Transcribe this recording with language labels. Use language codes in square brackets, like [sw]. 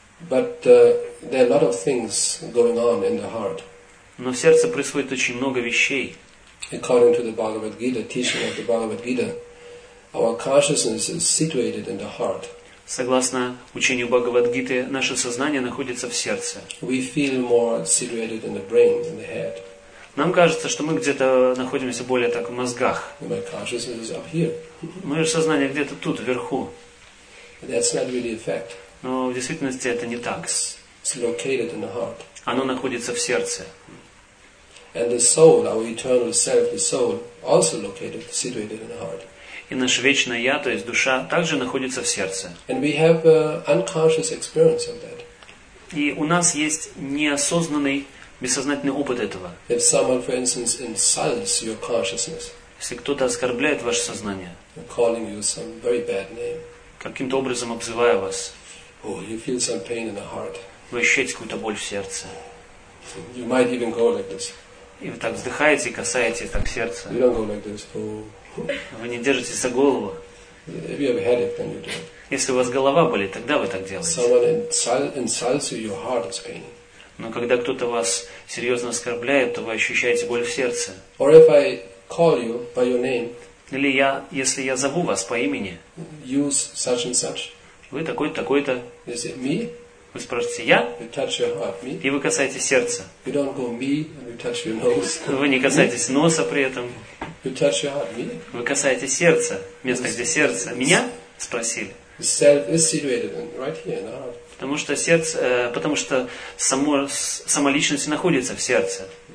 [en] But there are a lot of things going on in the heart. [ru] Но в сердце происходит очень много вещей. [en] According to the Bhagavad Gita, teaching of the Bhagavad Gita, our consciousness is situated in the heart. [ru] Согласно учению Бхагавад Гиты, наше сознание находится в сердце. [en] We feel more situated in the brain, in the head. [ru] Нам кажется, что мы где-то находимся более так в мозгах. [en] My consciousness is up here. [ru] Мое сознание где-то тут, вверху. [en] But that's not really a fact. [ru] Но в действительности это не так. [en] It's located in the heart. [ru] Оно находится в сердце. [en] And the soul, our eternal self, the soul, also located, situated in the heart. [ru] И наше вечное я, то есть душа, также находится в сердце. [en] And we have an unconscious experience of that. [ru] И у нас есть неосознанный, бессознательный опыт этого. [en] If someone, for instance, insults your consciousness. [ru] Если кто-то оскорбляет ваше сознание. [en] Calling you some very bad name. [ru] Каким-то образом обзывая вас. [en] Oh, you feel some pain in the heart. [ru] Вы ощущаете какую-то боль в сердце. [en] You might even go like this. [ru] И вы так вздыхаете, касаете так сердца. [en] You don't go like this. Oh. [ru] Вы не держитесь за голову. [en] If you have a headache, then you do. [ru] Если у вас голова болит, тогда вы так делаете. [en] Someone insults you, your heart is paining. [ru] Но когда кто-то вас серьезно оскорбляет, то вы ощущаете боль в сердце. [en] Or if I call you by your name. [ru] Или я, если я зову вас по имени. [en] You such and such. [ru] Вы такой-то, такой-то. [en] Is it me? [ru] Вы спрашиваете, я? [en] You touch your heart, me? [ru] И вы касаетесь сердца. [en] You don't go me, and you touch your nose. [ru] Вы не касаетесь носа при этом. [en] You touch your heart, me? [ru] Вы касаетесь сердца, место, где сердце. Меня? Спросили. [en] Self is situated right here in the heart. [ru] Потому что сердце, потому что сама личность находится в сердце.